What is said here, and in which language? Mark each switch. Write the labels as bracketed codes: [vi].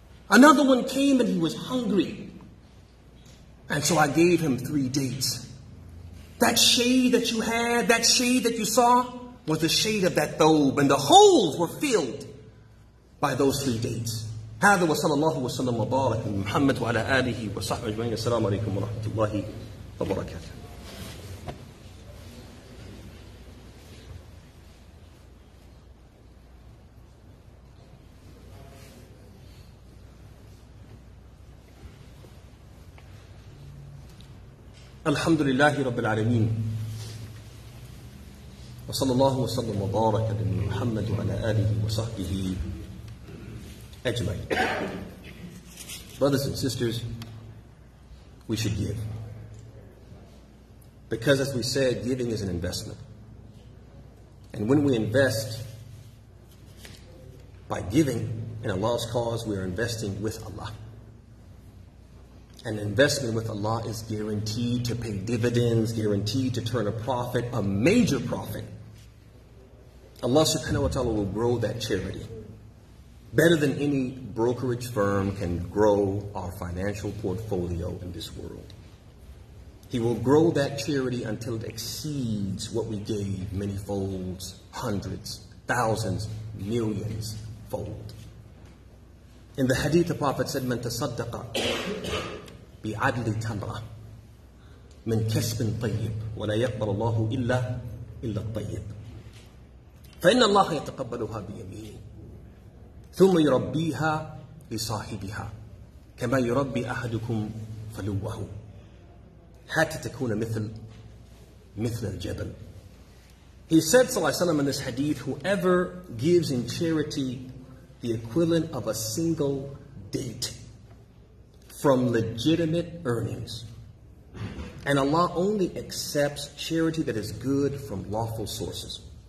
[en] Another one came and he was hungry. And so I gave him three dates. That shade that you had, that shade that you saw, was the shade of that thobe, and the holes were filled by those three dates. [ar] هذا وصلى الله وسلم وبارك من محمد وعلى آله وصحبه أجمعين. السلام عليكم ورحمة الله وبركاته. الحمد لله رب العالمين وصلى الله وسلم وبارك على محمد وعلى آله وصحبه أجمعين. [en] Brothers and sisters, we should give. Because as we said, giving is an investment. And when we invest by giving in Allah's cause, we are investing with Allah. An investment with Allah is guaranteed to pay dividends, guaranteed to turn a profit, a major profit. Allah subhanahu wa ta'ala will grow that charity better than any brokerage firm can grow our financial portfolio in this world. He will grow that charity until it exceeds what we gave many folds, hundreds, thousands, millions fold. In the hadith, the Prophet said, [ar] من تصدق بعدل تمرة من كسب طيب ولا يقبل الله إلا الطيب فإن الله يتقبلها بيمينه ثم يربيها لصاحبها كما يربي أحدكم فلوه حتى تكون مثل الجبل. [en] He said, [ar] صلى الله عليه وسلم, [en] in this hadith, whoever gives in charity the equivalent of a single date from legitimate earnings. And Allah only accepts charity that is good from lawful sources.